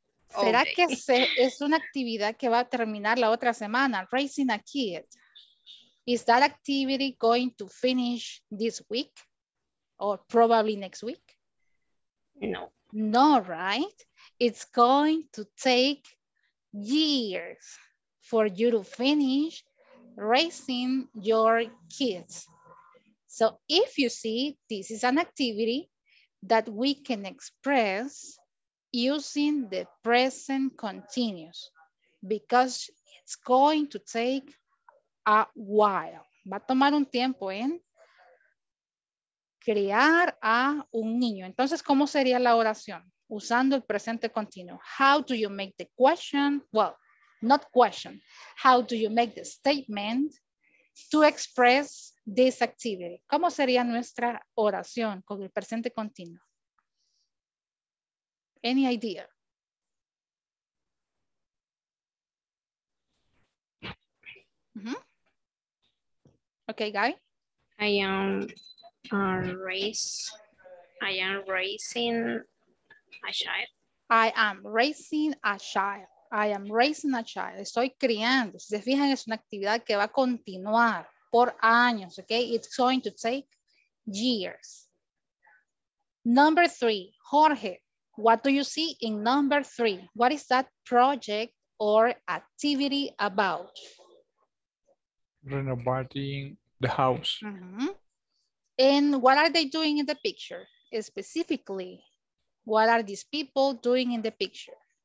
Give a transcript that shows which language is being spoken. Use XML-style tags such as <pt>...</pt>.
<es>¿Será okay. que se, es una actividad que va a terminar la otra semana,</es> <en>raising a kid? Is that activity going to finish this week? Or probably next week? No. No, right? It's going to take years for you to finish raising your kids. So if you see, this is an activity that we can express using the present continuous because it's going to take a while.</en> <es>Va a tomar un tiempo en criar a un niño. Entonces, ¿cómo sería la oración? Usando el presente continuo.</es> <en>How do you make the question? Well, not question. How do you make the statement to express this activity?</en> <es>¿Cómo sería nuestra oración con el presente continuo?</es> <en>Any idea? Mm-hmm. Okay, Guy? I am raising a child.</en> <es>Estoy criando. Si se fijan, es una actividad que va a continuar por años, okay?</es> <en>It's going to take years. Number three, Jorge, what do you see in number three? What is that project or activity about? Renovating the house. Mm-hmm. And what are they doing in the picture? Specifically, what are these people doing in the picture?</en>